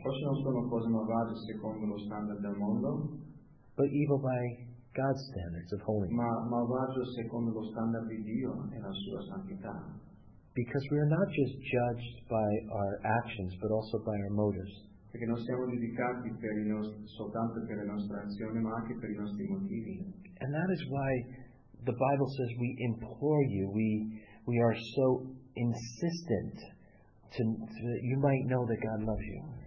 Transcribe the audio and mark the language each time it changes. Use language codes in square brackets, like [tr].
[it] Forse non sono cose malvagie secondo lo standard del mondo. [en] But evil by God's standards of holiness. [it] Ma malvagio secondo lo standard di Dio e la sua santità. [en] Because we are not just judged by our actions, but also by our motives. [it] Perché non siamo giudicati soltanto per le nostre azioni, ma anche per i nostri motivi. [en] And that is why the Bible says we implore you, we are so insistent to that you might know that God loves you.